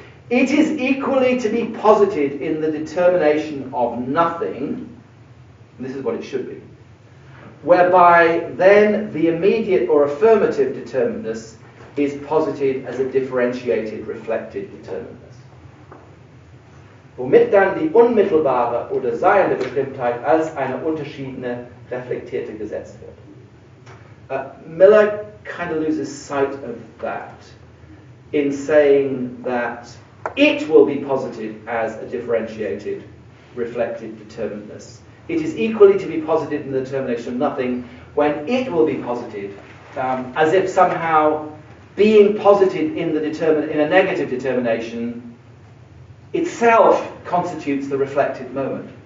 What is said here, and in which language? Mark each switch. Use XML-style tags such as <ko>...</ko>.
<en>It is equally to be posited in the determination of nothing, and this is what it should be, whereby then the immediate or affirmative determinateness is posited as a differentiated, reflected determinateness.</en> <de>Womit dann die unmittelbare oder seiende Bestimmtheit als eine unterschiedene, reflektierte gesetzt wird.</de> <en>Miller kind of loses sight of that in saying that it will be posited as a differentiated, reflected determinateness. It is equally to be posited in the determination of nothing when it will be posited, as if somehow being posited in a negative determination itself constitutes the reflected moment.</en>